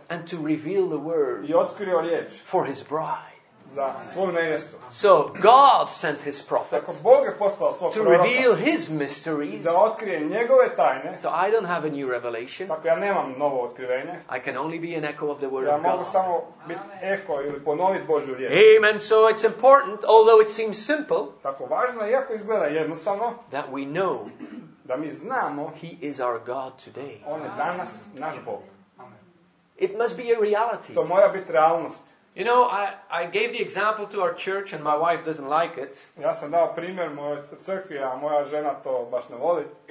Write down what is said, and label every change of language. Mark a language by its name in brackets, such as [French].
[English] And to reveal the word. [Croatian] I otkrio riječ. [English] For his bride. [Croatian] Za svoju nevjestu. [English] So God sent his prophet. [Croatian] Tako Bog je poslao svog [English] to [Croatian] proroka. [English] To reveal his mysteries. [Croatian] Da otkrije njegove tajne. [English] So I don't have a new revelation. [Croatian] Tako ja nemam novo otkrivenje. [English] I can only be an echo of the word [Croatian] ja [English] of God. [Croatian] Ja mogu samo biti eho ili ponovit Božju riječ. [English] Amen. So it's important, although it seems simple. [Croatian] Tako važno, iako izgleda jednostavno. [English] That we know. [Croatian] Da mi znamo. [English] He is our God today. [Croatian] On je danas naš Bog. [English] Amen. It must be a reality. [Croatian] To mora biti realnost. [English] You know, I gave the example to our church and my wife doesn't like it. [Croatian] Ja sam dao primjer mojoj crkvi, a moja žena to baš ne voli.